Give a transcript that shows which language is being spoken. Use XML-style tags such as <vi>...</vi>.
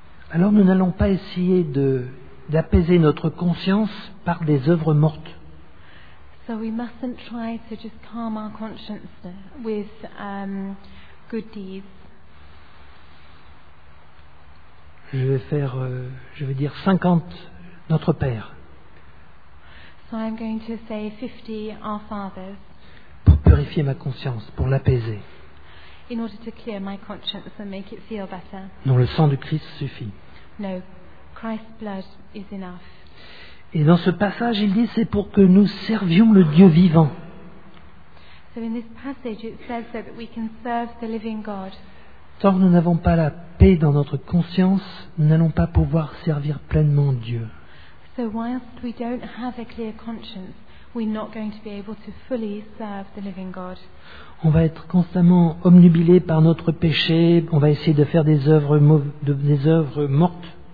<fr>Alors nous n'allons pas essayer d'apaiser notre conscience par des œuvres mortes.</fr> <en>So we mustn't try to just calm our conscience with good deeds.</en> <fr>Je vais dire 50 Notre Père.</fr> <en>So I'm going to say 50 Our Fathers.</en> <fr>Pour purifier ma conscience, pour l'apaiser.</fr> <en>In order to clear my conscience and make it feel better.</en> <fr>Non, le sang du Christ suffit.</fr> <en>No, Christ's blood is enough.</en> <fr>Et dans ce passage, il dit c'est pour que nous servions le Dieu vivant.</fr> <en>So in this passage it says that we can serve the living God.</en> <fr>Tant que nous n'avons pas la paix dans notre conscience, nous n'allons pas pouvoir servir pleinement Dieu.</fr> <en>So whilst we don't have a clear conscience, we're not going to be able to fully serve the living God.</en> <fr>On va être constamment omnubilé par notre péché, on va essayer de faire des œuvres mortes.</fr>